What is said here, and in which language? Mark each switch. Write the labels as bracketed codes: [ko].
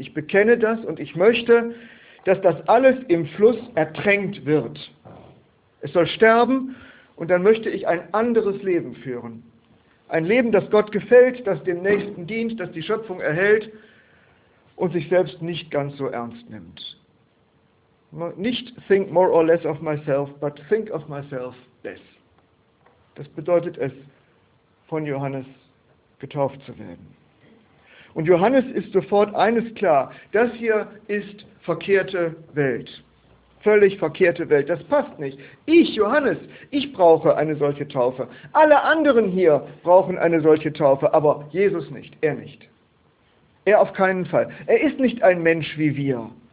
[de] Ich bekenne das und ich möchte, dass das alles im Fluss ertränkt wird. Es soll sterben und dann möchte ich ein anderes Leben führen. Ein Leben, das Gott gefällt, das dem Nächsten dient, das die Schöpfung erhält und sich selbst nicht ganz so ernst nimmt. Nicht [en] think more or less of myself, but think of myself less. [de] Das bedeutet es, von Johannes getauft zu werden. Und Johannes ist sofort eines klar, das hier ist verkehrte Welt, völlig verkehrte Welt, das passt nicht. Ich, Johannes, ich brauche eine solche Taufe. Alle anderen hier brauchen eine solche Taufe, aber Jesus nicht, er nicht. Er auf keinen Fall. Er ist nicht ein Mensch wie wir,